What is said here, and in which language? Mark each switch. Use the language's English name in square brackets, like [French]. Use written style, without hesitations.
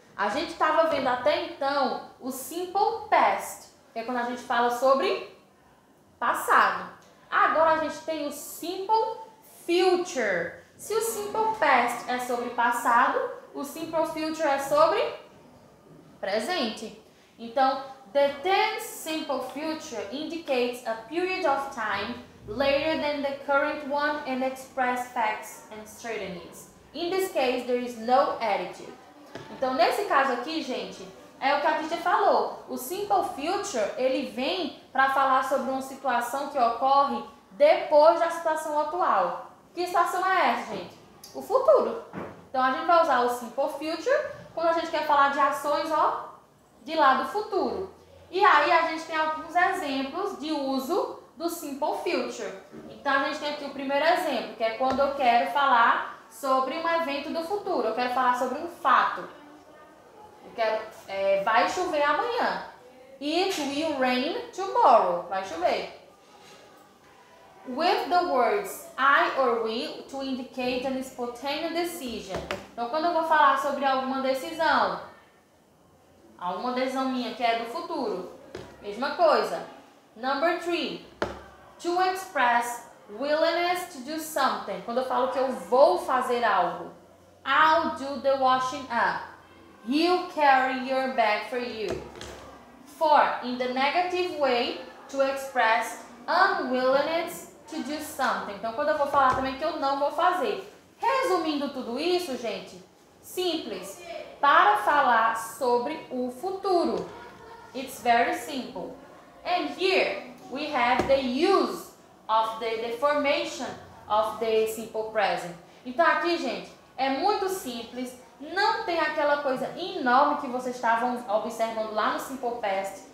[Portuguese] A gente estava vendo até então o simple past, que é quando a gente fala sobre passado. Agora, a gente tem o simple future. Se o simple past é sobre passado, o simple future é sobre presente. [English] Então, the tense simple future indicates a period of time later than the current one and express facts and certainties. In this case, there is no attitude. [Portuguese] Então, nesse caso aqui, gente, é o que a Tita falou. O simple future, ele vem para falar sobre uma situação que ocorre depois da situação atual. Que situação é essa, gente? O futuro. Então, a gente vai usar o simple future quando a gente quer falar de ações, ó, de lá do futuro. E aí, a gente tem alguns exemplos de uso do simple future. Então, a gente tem aqui o primeiro exemplo, que é quando eu quero falar sobre um evento do futuro. Eu quero falar sobre um fato. Eu quero... vai chover amanhã. [English] It will rain tomorrow. [Portuguese] Vai chover. [English] With the words I or we to indicate an spontaneous decision. [Portuguese] Então, quando eu vou falar sobre alguma decisão minha que é do futuro, mesma coisa. [English] Number three, to express willingness to do something. [Portuguese] Quando eu falo que eu vou fazer algo. [English] I'll do the washing up. He'll carry your bag for you. Four, in the negative way, to express unwillingness to do something. [Portuguese] Então, quando eu vou falar também que eu não vou fazer. Resumindo tudo isso, gente, simples. Para falar sobre o futuro. [English] It's very simple. And here, we have the use of the formation of the simple present. [Portuguese] Então, aqui, gente, é muito simples. Não tem aquela coisa enorme que vocês estavam observando lá no Simple Past.